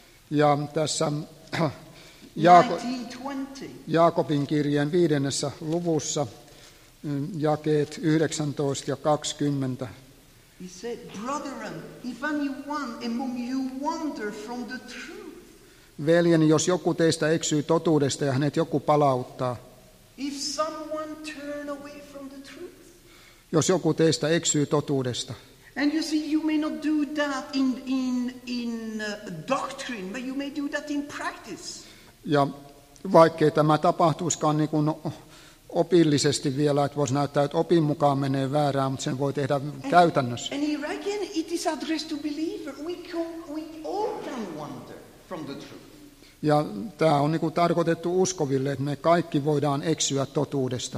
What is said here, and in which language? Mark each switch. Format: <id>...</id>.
<fi>ja tässä 1920. Jaakobin kirjeen 5. luvussa, jakeet 19 ja 20.</fi> <en>He said, brethren, if anyone among you wander from the truth,</en> <fi>veljeni, jos joku teistä eksyy totuudesta ja hänet joku palauttaa.</fi> <en>If someone turn away from the truth,</en> <fi>jos joku teistä eksyy totuudesta.</fi> <en>And you see, you may not do that in doctrine, but you may do that in practice.</en> <fi>Ja vaikkei tämä tapahtuisikaan niin kuin opillisesti vielä, että voisi näyttää, että opin mukaan menee väärään, mutta sen voi tehdä käytännössä.</fi> <en>And here again, it is addressed to believers. We all can wander from the truth.</en> <fi>Ja tämä on niin kuin tarkoitettu uskoville, että me kaikki voidaan eksyä totuudesta.</fi>